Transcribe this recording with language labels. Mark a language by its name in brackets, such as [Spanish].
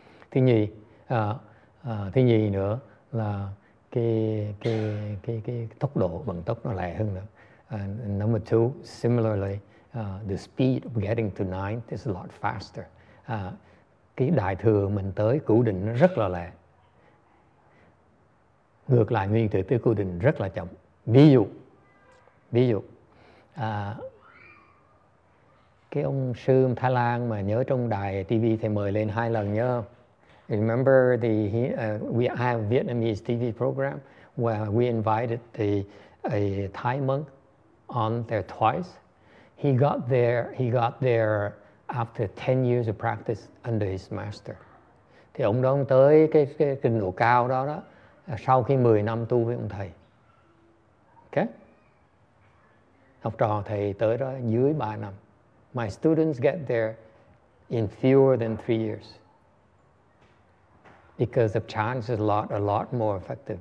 [Vietnamese] Thứ nhì, thứ nhì nữa là cái tốc độ, vận tốc nó lẹ hơn nữa. [English] And number two, similarly, the speed of getting to ninth is a lot faster. [Vietnamese] Cái đại thừa mình tới cửu định nó rất là lẹ. Ngược lại, nguyên thủy tới cửu định rất là chậm. Ví dụ, cái ông sư Thái Lan mà nhớ trong đài TV thầy mời lên hai lần nhớ không? [English] Remember the we have Vietnamese TV program where we invited a Thai monk on there twice. He got there after 10 years of practice under his master. [Vietnamese] Thì ông đó ông tới cái trình độ cao đó đó sau khi 10 năm tu với ông thầy. Okay? Học trò thầy tới đó dưới 3 năm. [English] My students get there in fewer than 3 years. Because the chance is a lot more effective.